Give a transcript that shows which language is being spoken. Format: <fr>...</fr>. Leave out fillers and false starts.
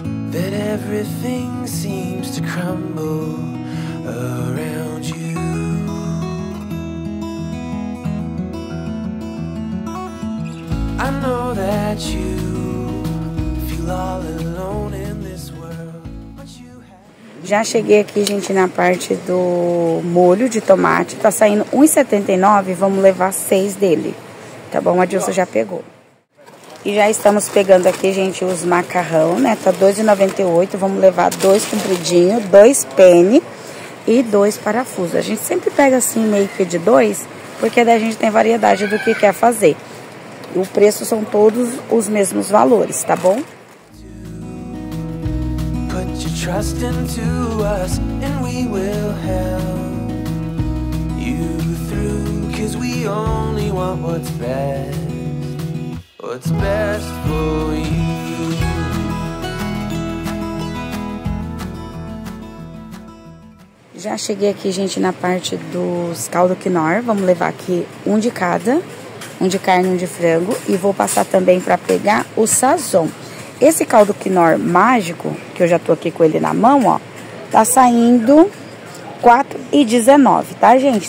<en>That everything seems to crumble around you. I know that you feel all alone in this world.</en> <pt>Já cheguei aqui, gente, na parte do molho de tomate. Tá saindo 1,79, vamos levar 6 dele. Tá bom? A Dilson já pegou. E já estamos pegando aqui, gente, os macarrão, né? Tá 2,98, vamos levar 2 compridinho, 2 penne e 2 parafusos. A gente sempre pega assim, meio que de 2, porque daí a gente tem variedade do que quer fazer. E o preço são todos os mesmos valores, tá bom?</pt> <en>Trust into us, and we will help you through. 'Cause we only want what's best for you.</en> <pt>Já cheguei aqui, gente, na parte dos caldo Knorr. Vamos levar aqui um de cada, um de carne, um de frango, e vou passar também para pegar o Sazon. Esse caldo Knorr mágico, que eu já tô aqui com ele na mão, ó, tá saindo R$4,19, tá, gente?</pt>